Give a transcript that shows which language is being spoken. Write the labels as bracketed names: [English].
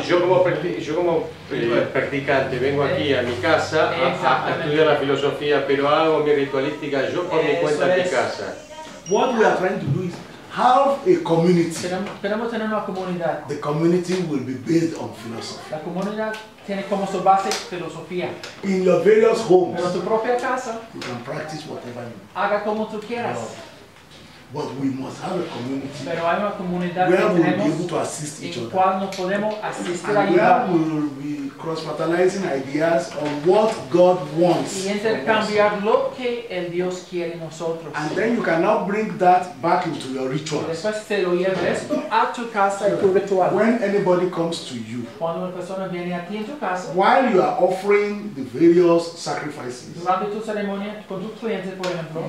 [Spanish] Yo como practicante vengo aquí a mi casa a estudiar la filosofía, pero hago mi ritualística yo por mi cuenta en mi casa. [English] What we are trying to do is have a community. [Spanish] Queremos tener una comunidad. [English] The community will be based on philosophy. [Spanish] La comunidad tiene como su base filosofía. [English] In your various homes. [Spanish] En tu propia casa. [English] You can practice whatever you. [Spanish] Haga como tú quieras. [English] But we must have a community. [Spanish] Pero hay una comunidad [English] where [Spanish] que [English] we'll be able to assist each other. [Spanish] Cual nos podemos asistir [English] and [Spanish] ayudar. [English] Where we will be cross-fertilizing ideas on what God wants. [Spanish] Y intercambiar lo que el Dios quiere nosotros. [English] And then you can now bring that back into your rituals. [Spanish] Después te lo lleves a tu casa y tu ritual. [English] When anybody comes to you, [Spanish] cuando una persona viene a ti en tu casa, [English] while you are offering the various sacrifices, [Spanish] durante tu ceremonia con tus clientes, por ejemplo,